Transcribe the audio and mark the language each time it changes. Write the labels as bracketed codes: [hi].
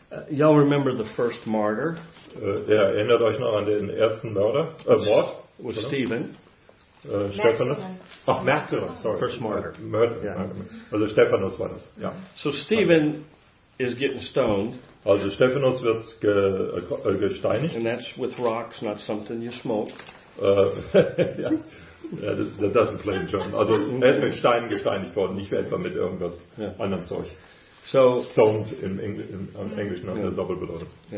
[en] Y'all remember the first martyr? [de] Erinnert euch noch an den ersten Mörder, Mord? [en] Was Stephen. [de] Stephanus. Ach, Märtyrer, sorry. [en] First martyr. [de] Mörder. [en] Yeah. [de] Also Stephanus war das, ja. [en] So Stephen is getting stoned. [de] Also Stephanus wird gesteinigt. [en] And that's with rocks, not something you smoke. Yeah, that doesn't play in German. [de] Also er ist mit Steinen gesteinigt worden, nicht etwa mit irgendwas anderem Zeug. So stoned im Englischen hat eine Doppelbedeutung.